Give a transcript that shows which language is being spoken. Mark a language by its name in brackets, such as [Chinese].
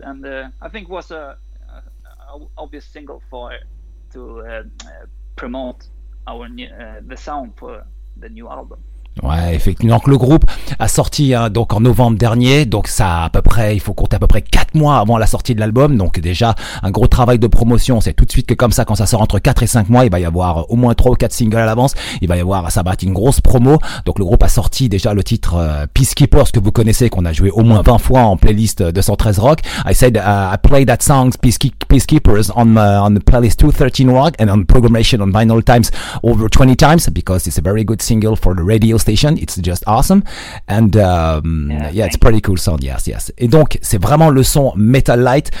[English] And I think it was a obvious single for to promote the sound for the new album. [French] Ouais, effectivement. Donc, le groupe a sorti, hein, donc, en novembre dernier. Donc, ça, à peu près, il faut compter à peu près 4 mois avant la sortie de l'album. Donc, déjà, un gros travail de promotion. C'est tout de suite que comme ça, quand ça sort entre 4 et 5 mois, il va y avoir au moins 3 ou 4 singles à l'avance. Il va y avoir, ça va être une grosse promo. Donc, le groupe a sorti déjà le titre Peacekeepers, que vous connaissez, qu'on a joué au moins 20 fois en playlist 213 Rock. [English] I play that song, Peacekeepers, on the playlist 213 Rock and on programmation on Vinyl Times over 20 times because it's a very good single for the radio. It's just awesome. And yeah, it's pretty cool sound. Yes, yes. [French] Et donc, c'est vraiment le son Metal Light.